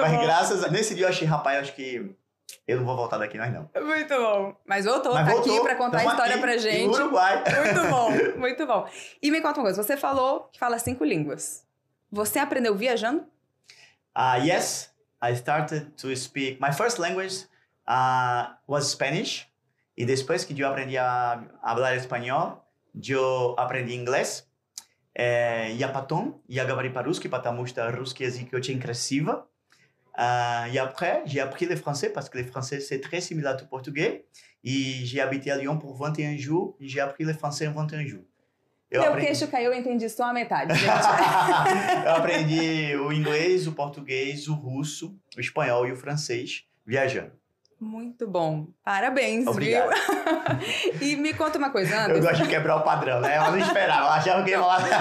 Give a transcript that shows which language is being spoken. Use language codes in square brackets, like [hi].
[pt] mas bom. Mas graças a... Nesse dia eu achei, rapaz, acho que... Eu não vou voltar daqui mais, não. Muito bom. Mas voltou, mas tá voltou, aqui pra contar a história aqui, pra gente. No Uruguai. Muito bom, muito bom. E me conta uma coisa. Você falou que fala 5 línguas. Você aprendeu viajando? [en] Yes. I started to speak... My first language was Spanish. [pt] E depois que eu aprendi a falar espanhol, eu aprendi inglês. [ru] Я потом, я говорю по-русски, потому что русский язык очень красивый. [fr] E après, j'ai appris le français, parce que le français, c'est très similaire au português. E j'ai habité à Lyon pour 21 jours, e j'ai appris le français en 21 jours. [pt] Queixo caiu, eu entendi só a metade, gente. Eu aprendi o inglês, o português, o russo, o espanhol e o francês, viajando. Muito bom. Parabéns, obrigado. Viu? E me conta uma coisa, Anderson. Eu gosto de quebrar o padrão, né? Eu não esperava, eu achava que ia falar...